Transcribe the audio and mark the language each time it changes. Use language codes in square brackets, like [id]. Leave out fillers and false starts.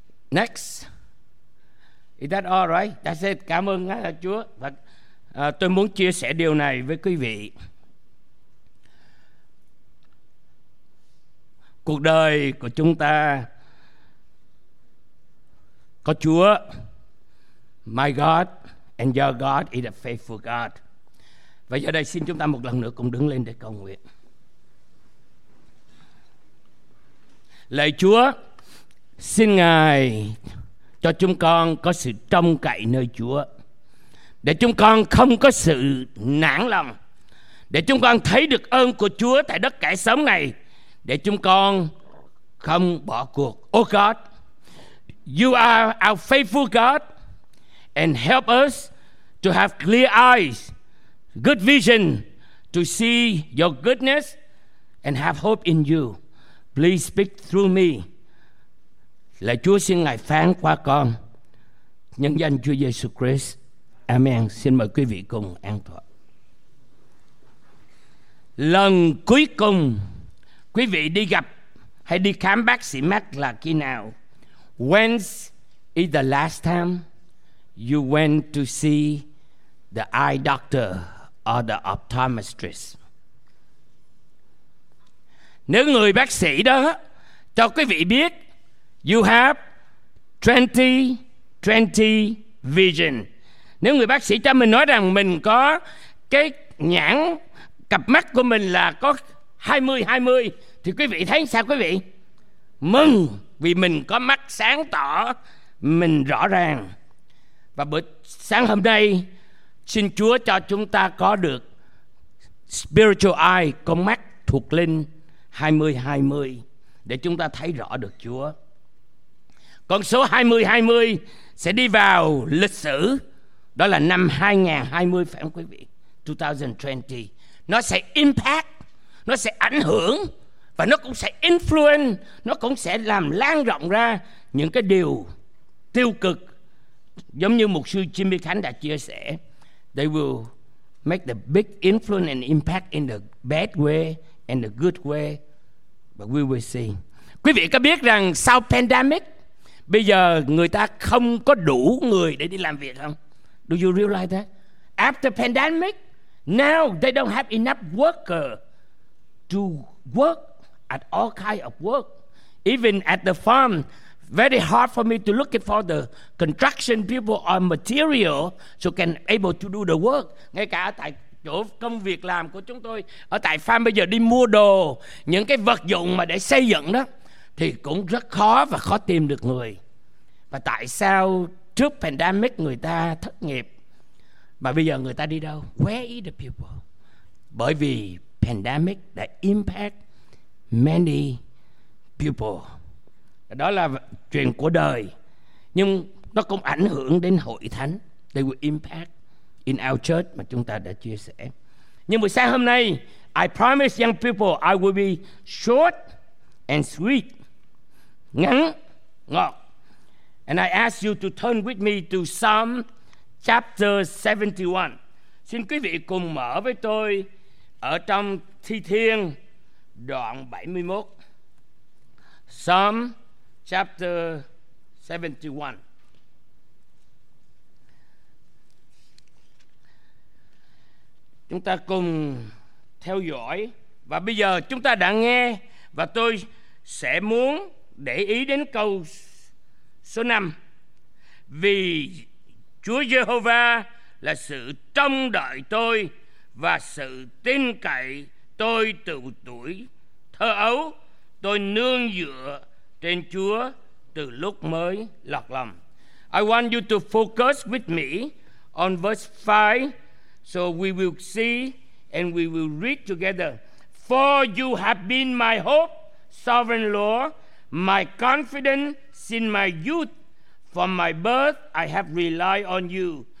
[en] Next. Is that all right? That's it. [vi] Cảm ơn Chúa. Và tôi muốn chia sẻ điều này với quý vị. Cuộc đời của chúng ta có Chúa. [en] My God and your God is a faithful God. [vi] Và giờ đây xin chúng ta một lần nữa cùng đứng lên để cầu nguyện. Lạy Chúa, xin Ngài cho chúng con có sự trông cậy nơi Chúa, để chúng con không có sự nản lòng, để chúng con thấy được ơn của Chúa tại đất cải sớm này, để chúng con không bỏ cuộc. [en] Oh God, you are our faithful God, and help us to have clear eyes, good vision, to see your goodness and have hope in you. Please speak through me. [vi] Lạy Chúa, xin Ngài phán qua con. Nhân danh Chúa Giêsu Christ. Amen. Xin mời quý vị cùng an tọa. Lần cuối cùng quý vị đi gặp hay đi khám bác sĩ mắt là khi nào? [en] When is the last time you went to see the eye doctor or the optometrist? [vi] Nếu người bác sĩ đó cho quý vị biết [en] you have 20/20 vision, [vi] nếu người bác sĩ cho mình nói rằng mình có cái nhãn cặp mắt của mình là có 20/20, thì quý vị thấy sao quý vị? Mừng vì mình có mắt sáng tỏ, mình rõ ràng. Và bữa sáng hôm nay, xin Chúa cho chúng ta có được spiritual eye, có mắt thuộc linh 20/20, để chúng ta thấy rõ được Chúa. Con số 20/20 sẽ đi vào lịch sử, đó là năm 2020, phải không quý vị? 2020. Nó sẽ impact, nó sẽ ảnh hưởng, và nó cũng sẽ influence, nó cũng sẽ làm lan rộng ra những cái điều tiêu cực. Giống như mục sư Jimmy Khánh đã chia sẻ, [en] they will make the big influence and impact in the bad way and the good way, but we will see. [vi] Quý vị có biết rằng sau pandemic, bây giờ người ta không có đủ người để đi làm việc không? [en] Do you realize that? After pandemic, now they don't have enough worker to work at all kind of work. Even at the farm, very hard for me to look for the construction people or material so can able to do the work. [vi] Ngay cả tại chỗ công việc làm của chúng tôi, ở tại farm bây giờ đi mua đồ, những cái vật dụng mà để xây dựng đó, thì cũng rất khó và khó tìm được người. Và tại sao trước pandemic người ta thất nghiệp, mà bây giờ người ta đi đâu? [en] Where is the people? [vi] Bởi vì pandemic đã [en] impact many people. [vi] Đó là chuyện của đời, nhưng nó cũng ảnh hưởng đến hội thánh. [en] They will impact in our church [vi] mà chúng ta đã chia sẻ. Nhưng buổi sáng hôm nay, [en] I promise young people I will be short and sweet. [vi] Ngắn, ngọt. [en] And I ask you to turn with me to Psalm chapter 71. [vi] Xin quý vị cùng mở với tôi ở trong Thi Thiên đoạn 71. [en] Psalm chapter 71. [vi] Chúng ta cùng theo dõi. Và bây giờ chúng ta đã nghe, và tôi sẽ muốn để ý đến câu số 5. Vì Chúa Giê-hô-va là sự trông đợi tôi và sự tin cậy tôi từ tuổi thơ ấu, tôi nương dựa trên Chúa từ lúc mới lọt lòng. [en] I want you to focus with me on verse 5, so we will see and we will read together. For you have been my hope, sovereign Lord, my confidence since my youth. From my birth I have relied on you.